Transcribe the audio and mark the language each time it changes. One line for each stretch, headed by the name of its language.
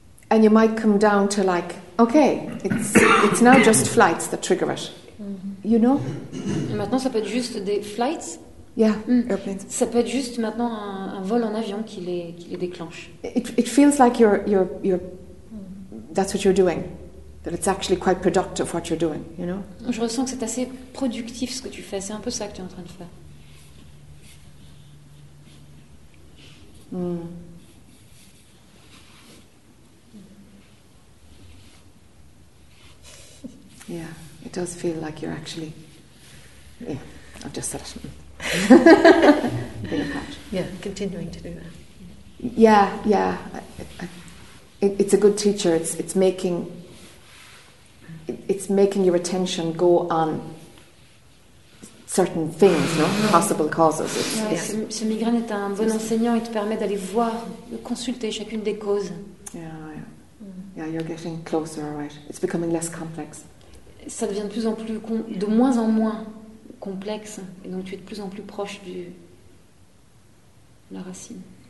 English: And you might come down to like, okay, it's now just flights that trigger it. You know?
French: Et maintenant, ça peut être juste des flights.
English: Yeah, airplanes.
French: Ça peut être juste maintenant un vol en avion qui les déclenche.
English: It feels like you're that's what you're doing. That it's actually quite productive what you're doing. You know?
French: Je ressens que c'est assez productif ce que tu fais. C'est un peu ça que tu es en train de faire.
English: Yeah. It does feel like you're actually. Yeah, I've just said it. Continuing to do that. Yeah. It's a good teacher. It's making your attention go on certain things, no? Possible causes.
French: Ce migraine est un bon enseignant. Il te permet d'aller voir, de consulter chacune des causes.
English: Yeah, you're getting closer, right? It's becoming less complex.
French: Ça devient de moins en moins complexe, et donc tu es de plus en plus proche de la racine.